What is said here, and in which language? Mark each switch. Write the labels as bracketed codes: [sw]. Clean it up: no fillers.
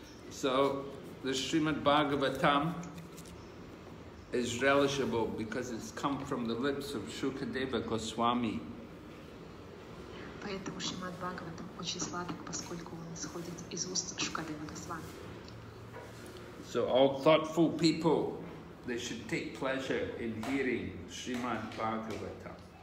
[en] So the Srimad Bhagavatam is relishable because it's come from the lips of Shukadeva Goswami. [ru] Поэтому Шримад Бхагаватам очень сладок, поскольку он исходит из уст Шукадева Госвами. [en] So all thoughtful people, they should take pleasure in hearing Srimad Bhagavatam.